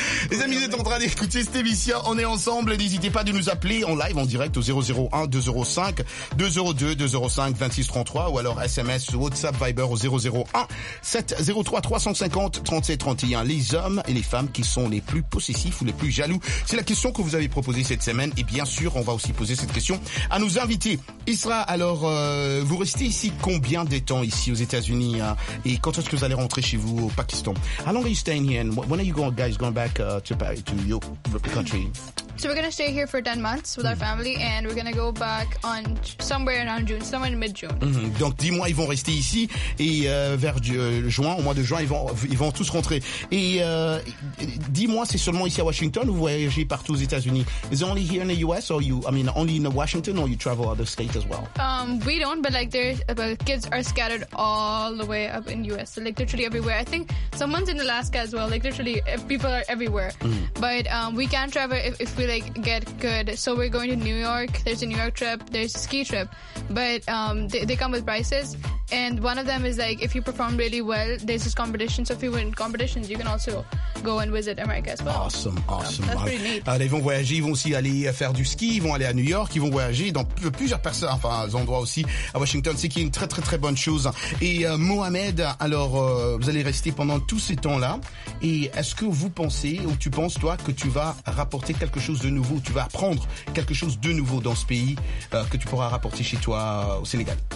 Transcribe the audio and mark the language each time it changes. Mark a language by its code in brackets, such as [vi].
[fr] Les amis, vous êtes en train d'écouter cette émission, on est ensemble, n'hésitez pas de nous appeler en live, en direct au 001-205-202-205-2633 ou alors SMS ou WhatsApp Viber au 001-703-350-3731. Les hommes et les femmes qui sont les plus possessifs ou les plus jaloux, c'est la question que vous avez proposée cette semaine. Et bien sûr, on va aussi poser cette question à nos invités. Isra, alors, vous restez ici combien de temps ici aux États-Unis hein, et quand est-ce que vous allez rentrer chez vous au Pakistan? [en] How long are you staying here? And when are you going, guys going back to your country? So we're going to stay here for 10 months with our family and we're going to go back on somewhere around June, somewhere in mid-June. Mm-hmm. [fr] Donc 10 mois, ils vont rester ici et vers juin, au mois de juin, ils vont tous rentrer. Et 10 mois, c'est seulement ici à Washington ou vous voyagez partout aux États-Unis? [en] Is it only here in the US or you, I mean, only in Washington or you travel other states as well? We don't, but like the kids are scattered all the way up in the US. So like literally everywhere. I think someone's in Alaska as well. Like literally people are everywhere. Mm-hmm. But we can travel if we like get good. So we're going to New York. There's a New York trip. There's a ski trip. But they come with prices. And one of them is like, if you perform really well, there's this competition. So if you win competitions, you can also go and visit America as well. Awesome, awesome. So that's pretty neat. [fr] Ils vont voyager, ils vont aussi aller faire du ski, ils vont aller à New York, ils vont voyager dans plusieurs personnes, enfin, endroits aussi à Washington. C'est qui est une très, très, très bonne chose. Et Mohamed, alors, vous allez rester pendant tous ces temps-là. Et est-ce que vous pensez, ou tu penses, toi, que tu vas rapporter quelque chose de nouveau, tu vas apprendre quelque chose de nouveau dans ce pays que tu pourras rapporter chez toi au Sénégal?